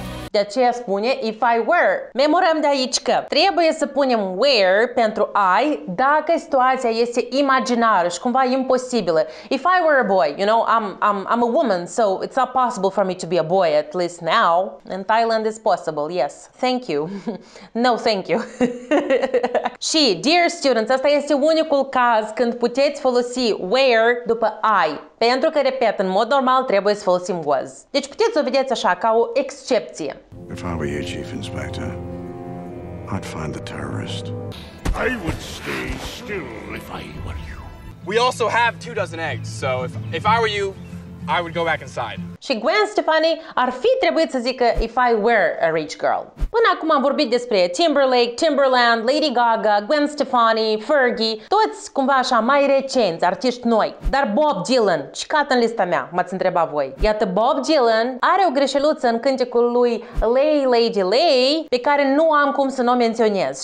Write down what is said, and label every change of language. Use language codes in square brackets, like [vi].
[ro] De aceea spune [en] if I were. [ro] Memorăm de aici că trebuie să punem were pentru I dacă situația este imaginară și cumva imposibilă. [en] If I were a boy, you know, I'm a woman, so it's not possible for me to be a boy, at least now. In Thailand it's possible, yes. Thank you. No, thank you. [ro] Și, [en] dear students, [ro] asta este unicul caz când puteți folosi were după I. Pentru că, repet, în mod normal trebuie să folosim was. Deci puteți să o vedeți așa, ca o excepție. [en] If I were you, Chief Inspector, I'd find the terrorist. I would stay still if I were you. We also have 2 dozen eggs, so if I were you, I would go back inside. [ro] Și Gwen Stefani ar fi trebuit să zică [en] if I were a rich girl. [ro] Până acum am vorbit despre Timberlake, Timberland, Lady Gaga, Gwen Stefani, Fergie, toți cumva așa mai recenți, artiști noi. Dar Bob Dylan, și cat în lista mea, m-ați întrebat voi. Iată, Bob Dylan are o greșeluță în cântecul lui Lay Lady Lay, pe care nu am cum să n-o menționez.